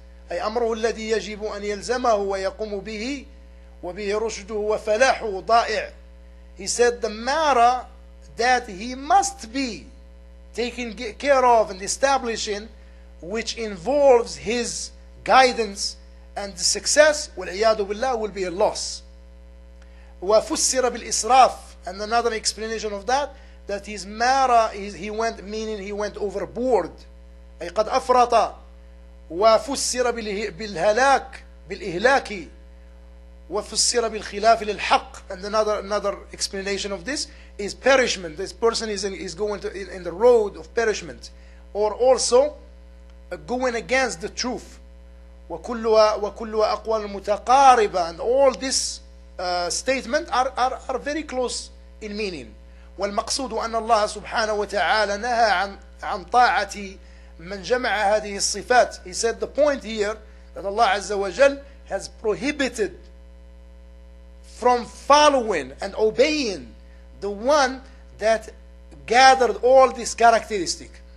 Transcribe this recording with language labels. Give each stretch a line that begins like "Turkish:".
Arabic: أي أمره الذي يجب أن يلزمه ويقوم به وبه رشده وفلاحه ضائع.
English: He said, the matter that he must be taking care of and establishing, which involves his guidance and success,
Arabic: والعياذ بالله
English: will be a loss.
Arabic: وفسر بالإسراف.
English: And another explanation of that, that his mara, he went, meaning he went overboard.
Arabic: أي قد أفرط. وفسر بالهلاك بالإهلاك. وفسر بالخلاف للحق.
English: And another explanation of this is perishment. This person is going to, in the road of perishment, or also going against the truth.
Arabic: وكلها أقوال متقاربة.
English: And all this statement are very close in meaning.
Arabic: والمقصود أن الله سبحانه وتعالى نهى عن طاعة من جمع هذه الصفات.
English: He said the point here that Allah عز وجل has prohibited from following and obeying the one that gathered all this characteristic.